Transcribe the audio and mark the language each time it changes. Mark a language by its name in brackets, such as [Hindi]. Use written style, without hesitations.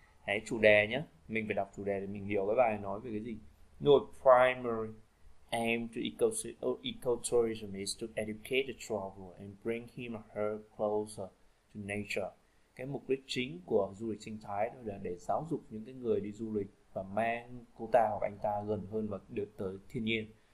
[Vietnamese] Đấy, chủ đề nhé, mình phải đọc chủ đề để mình hiểu cái bài nói về cái gì. [English] Rồi, primary aim to ecotourism is to educate the traveler and bring him or her closer to nature. [Vietnamese] Cái mục đích chính của du lịch sinh thái đó là để giáo dục những cái người đi du lịch và mang cô ta hoặc anh ta gần hơn và được tới thiên nhiên.